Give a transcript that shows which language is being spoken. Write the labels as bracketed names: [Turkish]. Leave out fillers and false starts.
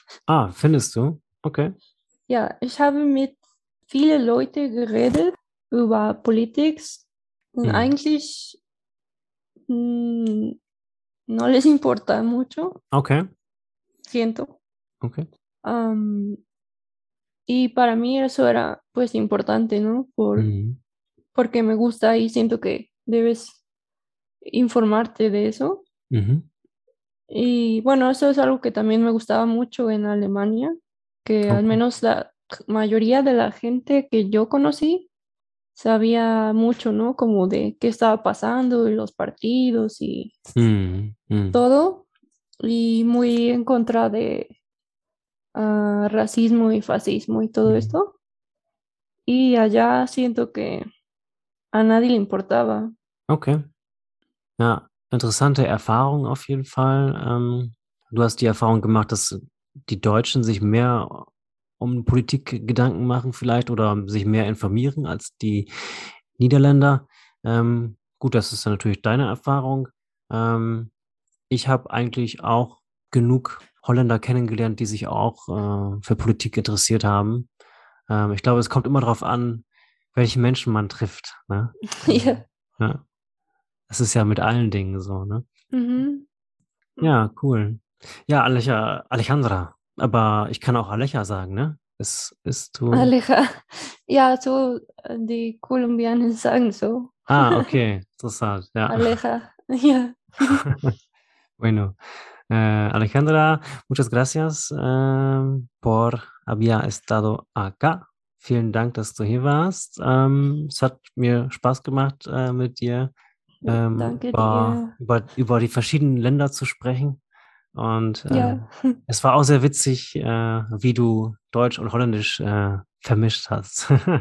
[German] Ah, findest du? Okay. Ja, ich habe mit vielen Leuten geredet über Politik und eigentlich [Spanish] no les importa mucho. Okay. Siento. Okay. Y para mí eso era pues importante, ¿no? Porque me gusta y siento que debes informarte de eso. Y bueno, eso es algo que también me gustaba mucho en Alemania, que al Okay. menos la mayoría de la gente que yo conocí sabía mucho, ¿no? Como de qué estaba pasando y los partidos y todo, y muy en contra de racismo y fascismo y todo esto. Y allá siento que a nadie le importaba. Okay. [German] Ja, interessante Erfahrung auf jeden Fall. Du hast die Erfahrung gemacht, dass die Deutschen sich mehr um Politik Gedanken machen vielleicht oder sich mehr informieren als die Niederländer. gut, das ist natürlich deine Erfahrung. Ich habe eigentlich auch genug Holländer kennengelernt, die sich auch für Politik interessiert haben. Ich glaube, es kommt immer darauf an, welche Menschen man trifft, ne? Ja. Ja. Das ist ja mit allen Dingen so, ne? Ja, cool. Ja, Alejandra. Aber ich kann auch Aleja sagen, ne? Es ist du. Aleja. Ja, so die Kolumbianen sagen so. Ah, okay. Interessant, ja. Aleja. Ja. [Spanish] Bueno. Alejandra, muchas gracias por haber estado acá. [German] Vielen Dank, dass du hier warst. Es hat mir Spaß gemacht, mit dir Danke dir. über die verschiedenen Länder zu sprechen. Und Ja. es war auch sehr witzig, wie du Deutsch und Holländisch vermischt hast.